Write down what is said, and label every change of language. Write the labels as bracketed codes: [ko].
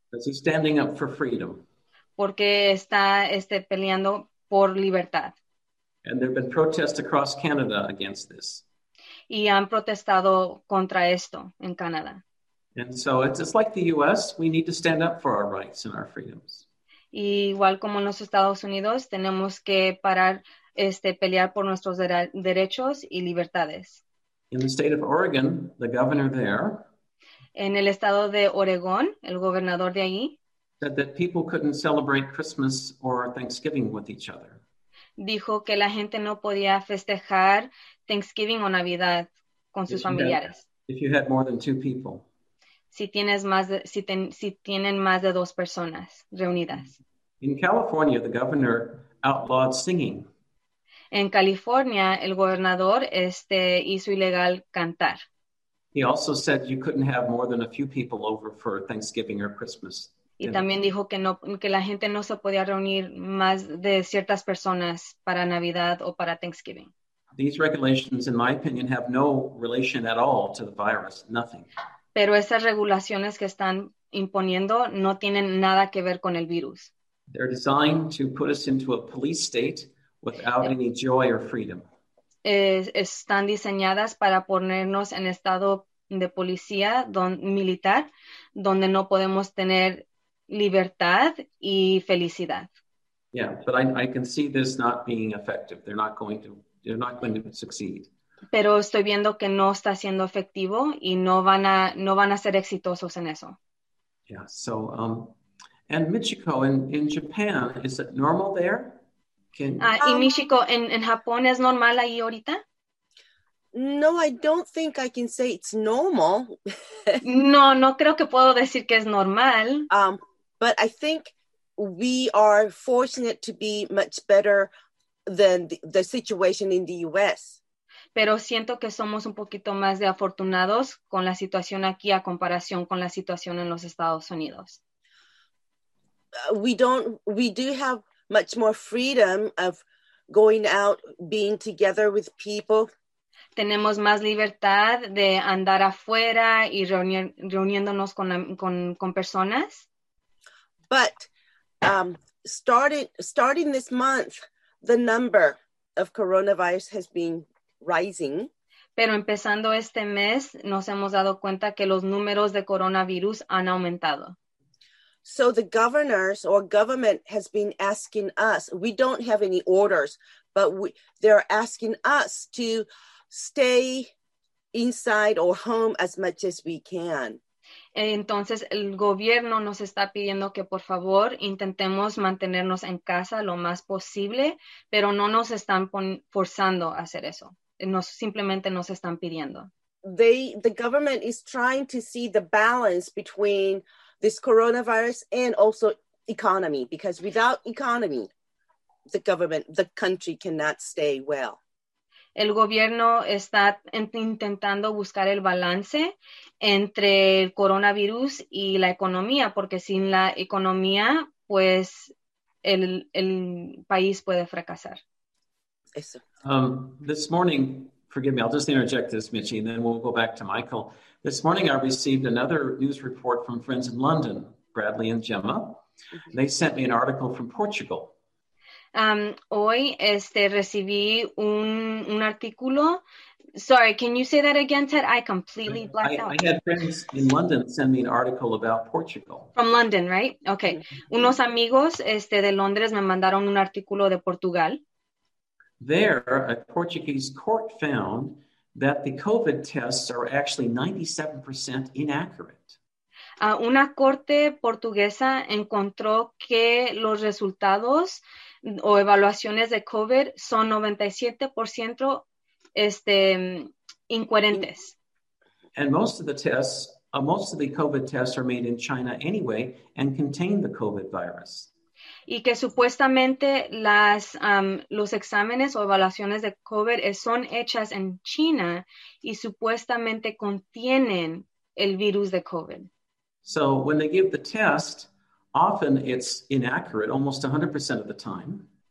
[en] Because he's standing up for freedom. [es] Porque está peleando por libertad. [en] And there have been protests across Canada against this. [es] Y han protestado contra esto en Canada. [en] And so it's like the U.S., we need to stand up for our rights and our freedoms. [es] Y igual como en los Estados Unidos, tenemos que parar pelear por nuestros derechos y libertades. [en] In the state of Oregon, the governor there, [es] en el estado de Oregón, el gobernador de allí, [en] said that people couldn't celebrate Christmas or Thanksgiving with each other. [es] Dijo que la gente no podía festejar Thanksgiving o Navidad con sus familiares. [en] If you had more than two people. [es] Si tienen más de dos personas reunidas. [en] In California, the governor outlawed singing. [es] En California, el gobernador hizo ilegal cantar. [en] He also said you couldn't have more than a few people over for Thanksgiving or Christmas. [es] Y también dijo que la gente no se podía reunir más de ciertas personas para Navidad o para Thanksgiving. [en] These regulations, in my opinion, have no relation at all to the virus, nothing. [es] Pero esas regulaciones que están imponiendo no tienen nada que ver con el virus. [en] They're designed to put us into a police state without any joy or freedom. [es] Están diseñadas para ponernos en estado de policía militar, donde no podemos tener libertad y felicidad. [en] Yeah, but I can see this not being effective. They're not going to succeed. [es] Pero estoy viendo que no está siendo efectivo y no van a ser exitosos en eso. [en] Yeah. So, and Michiko in Japan, is it normal there? [es] Michiko, en Japón, ¿es normal ahí ahorita? [en] No, I don't think I can say it's normal. [es] No creo que puedo decir que es normal. [en] But I think we are fortunate to be much better than the situation in the U.S. [es] Pero siento que somos un poquito más de afortunados con la situación aquí a comparación con la situación en los Estados Unidos. [en] We do have much more freedom of going out, being together with people. [es] Tenemos más libertad de andar afuera y reuniéndonos con personas. [en] But starting this month, the number of coronavirus has been rising. [es] Pero empezando este mes, nos hemos dado cuenta que los números de coronavirus han aumentado. [en] So the governors or government has been asking us, we don't have any orders, but they're asking us to stay inside or home as much as we can. [es] Entonces el gobierno nos está pidiendo que por favor intentemos mantenernos en casa lo más posible, pero no nos están forzando a hacer eso. Simplemente nos están pidiendo. [en] The government is trying to see the balance between this coronavirus and also economy, because without economy, the government, the country cannot stay well. [es] El gobierno está intentando buscar el balance entre el coronavirus y la economía, porque sin la economía, pues el país puede fracasar. Eso. [en] This morning, forgive me, I'll just interject this, Mitchie, and then we'll go back to Michael. This morning I received another news report from friends in London, Bradley and Gemma. They sent me an article from Portugal. [es] Hoy recibí un artículo. [en] Sorry, can you say that again, Ted? I completely blacked out. I had friends in London send me an article about Portugal. From London, right? Okay. [es] Unos amigos de Londres me mandaron un artículo de Portugal. [en] There, a Portuguese court found that the COVID tests are actually 97% inaccurate. [es] Una corte portuguesa encontró que los resultados o evaluaciones de COVID son 97% incoherentes. [en] And most of the COVID tests are made in China anyway and contain the COVID virus. [es] Y que supuestamente los exámenes o evaluaciones de COVID son hechas en China y supuestamente contienen el virus de COVID. [en] So when they give the test, often it's inaccurate, almost 100% of the time.